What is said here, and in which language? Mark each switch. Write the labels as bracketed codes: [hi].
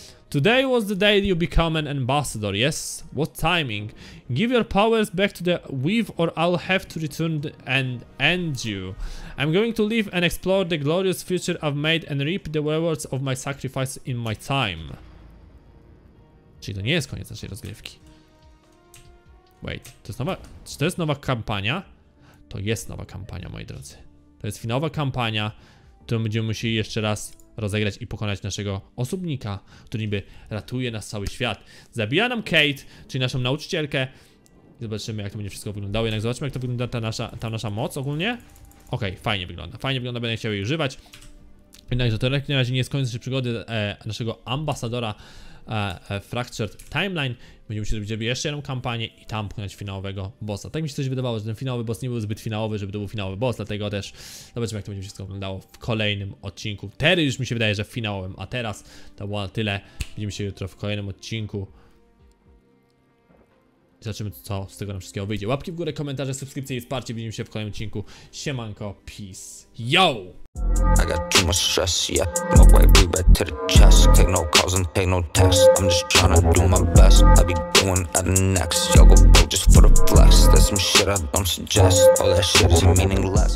[en] Today was the day you become an ambassador, yes? What timing? Give your powers back to the Weave or I'll have to return and end you. I'm going to live and explore the glorious future I've made and reap the rewards of my sacrifice in my time. [pl] Czyli to nie jest koniec naszej rozgrywki. Wait, to jest nowa... Czy to jest nowa kampania? To jest nowa kampania, moi drodzy. To jest finałowa kampania, którą będziemy musieli jeszcze raz rozegrać i pokonać naszego osobnika, który niby ratuje nas cały świat. Zabija nam Kate, czyli naszą nauczycielkę. I zobaczymy, jak to będzie wszystko wyglądało. Jednak zobaczmy, jak to wygląda ta nasza moc ogólnie. Okej, fajnie wygląda. Fajnie wygląda, będę chciał jej używać. Jednakże to w razie nie jest koniec przygody naszego ambasadora Fractured Timeline. Będziemy musieli zrobić jeszcze jedną kampanię i tam pchnąć finałowego bossa. Tak mi się coś wydawało, że ten finałowy boss nie był zbyt finałowy, żeby to był finałowy boss, dlatego też zobaczymy, jak to będzie wszystko wyglądało w kolejnym odcinku. Teraz już mi się wydaje, że w finałowym, a teraz to było tyle. Widzimy się jutro w kolejnym odcinku. Zobaczymy, co z tego nam wszystkiego wyjdzie. Łapki w górę, komentarze, subskrypcje i wsparcie. Widzimy się w kolejnym odcinku. Siemanko, peace, yo! [en] I got too much stress, yeah. My way way back to the chest. Take no calls and take no texts. I'm just tryna do my best. I be going at the next. Y'all go broke just for the flex. That's some shit I don't suggest. All that shit is meaningless.